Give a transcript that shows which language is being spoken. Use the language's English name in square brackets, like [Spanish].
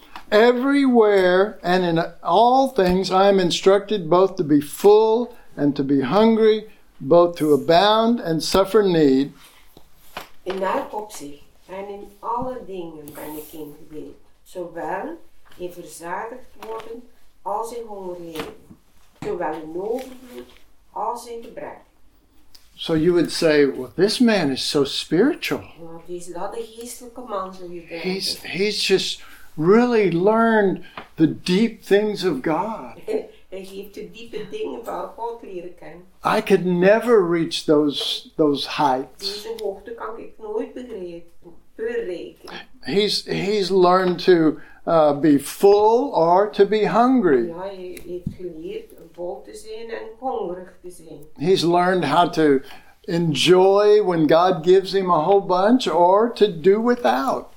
[English] Everywhere and in all things I am instructed both to be full and to be hungry, both to abound and suffer need. [Dutch] In elk opzicht en in alle dingen ben ik ingewikkeld, zowel in verzadigd worden als in honger leven, zowel in overvloed als in gebrek. [English] So you would say, well, this man is so spiritual. [Dutch] Wat is dat een geestelijke man, zou je denken? [English] He's just really learned the deep things of God. [Dutch] Hij heeft de diepe dingen van God leren kennen. [English] I could never reach those heights. [Dutch] Deze hoogte kan ik nooit bereiken. [English] He's learned to be full or to be hungry. [Dutch] Ja, hij heeft geleerd vol te zijn en hongerig te zijn. [English] He's learned how to enjoy when God gives him a whole bunch or to do without.